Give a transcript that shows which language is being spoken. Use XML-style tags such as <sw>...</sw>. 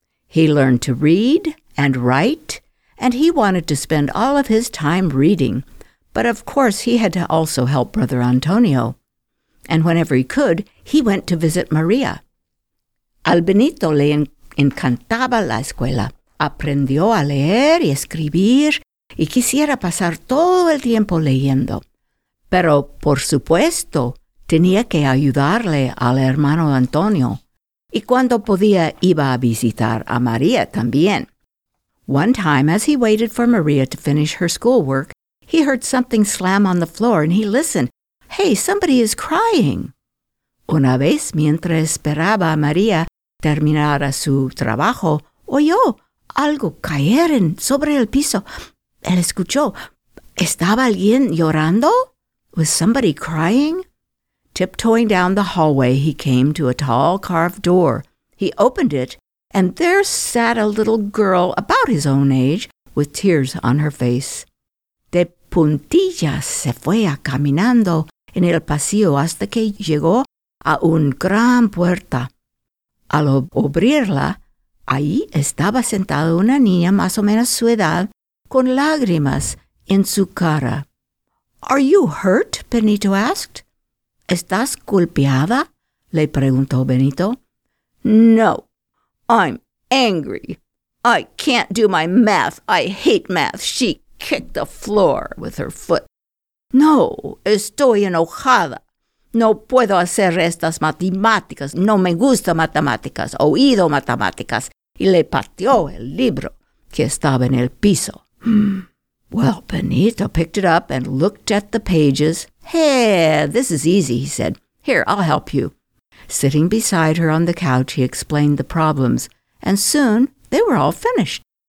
<en>He learned to read and write, and he wanted to spend all of his time reading. But of course, he had to also help brother Antonio. And whenever he could, he went to visit Maria.</en> <es>Al Benito le encantaba la escuela. Aprendió a leer y escribir, y quisiera pasar todo el tiempo leyendo. Pero, por supuesto, tenía que ayudarle al hermano Antonio. Y cuando podía, iba a visitar a María también.</es> <en>One time, as he waited for María to finish her schoolwork, he heard something slam on the floor and he listened. "Hey, somebody is crying."</en> <es>Una vez, mientras esperaba a María terminara su trabajo, oyó algo caer sobre el piso. Él escuchó, ¿estaba alguien llorando?</es> <en>Was somebody crying? Tiptoeing down the hallway, he came to a tall carved door. He opened it, and there sat a little girl about his own age, with tears on her face.</en> <es>De puntillas se fue caminando en el pasillo hasta que llegó a una gran puerta. Al abrirla, ahí estaba sentada una niña más o menos su edad, con lágrimas en su cara.</es> <en>"Are you hurt?" Benito asked.</en> <es>"¿Estás golpeada?" le preguntó</es> <en>Benito. "No, I'm angry. I can't do my math. I hate math." She kicked the floor with her foot.</en> <es>"No, estoy enojada. No puedo hacer estas matemáticas. No me gusta matemáticas. Oído matemáticas." Y le pateó el libro que estaba en el piso.</es> <en>Well, Benito picked it up and looked at the pages. "Hey, this is easy," he said. "Here, I'll help you." Sitting beside her on the couch, he explained the problems, and soon they were all finished.</en>